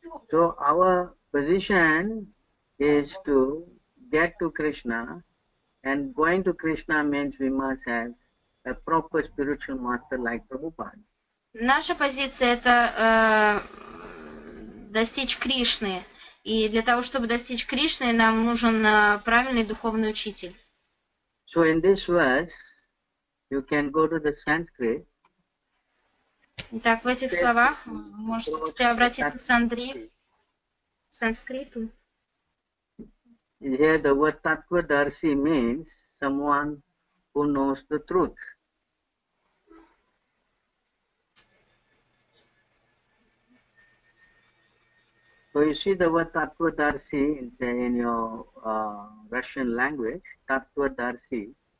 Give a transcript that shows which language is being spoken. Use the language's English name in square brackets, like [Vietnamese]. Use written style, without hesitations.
[English] So our position is to get to Krishna, and going to Krishna means we must have a proper spiritual master like Prabhupada. [Russian] Наша позиция – это достичь Кришны. И для того, чтобы достичь Кришны, нам нужен правильный духовный учитель. [English] So in this verse, you can go to the Sanskrit. [Russian] Итак, в этих словах вы можете обратиться с Андреем. Санскриту. [English] Here the word tatvadarshi means someone who knows the truth. So you see the word tatvadarshi in your Russian language, tatvadarshi.